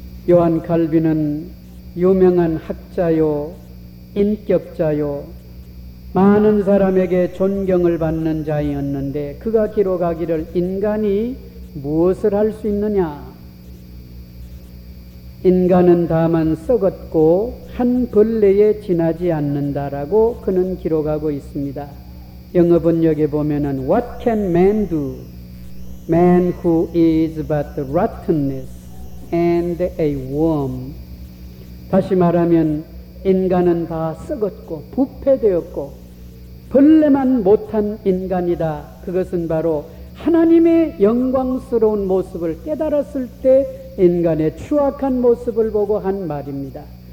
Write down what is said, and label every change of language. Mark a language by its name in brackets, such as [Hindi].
[Korean] 요한 칼빈은 유명한 학자요, 인격자요, 많은 사람에게 존경을 받는 자이었는데 그가 기록하기를 인간이 무엇을 할 수 있느냐? 인간은 다만 썩었고 한 벌레에 지나지 않는다라고 그는 기록하고 있습니다. 영어 번역에 보면은 [English] What can man do? Man who is but rottenness and a worm. [Korean] 다시 말하면 인간은 다 썩었고 부패되었고 벌레만 못한 인간이다. 그것은 바로 하나님의 영광스러운 모습을 깨달았을 때 인간의 추악한 모습을 보고 한 말입니다.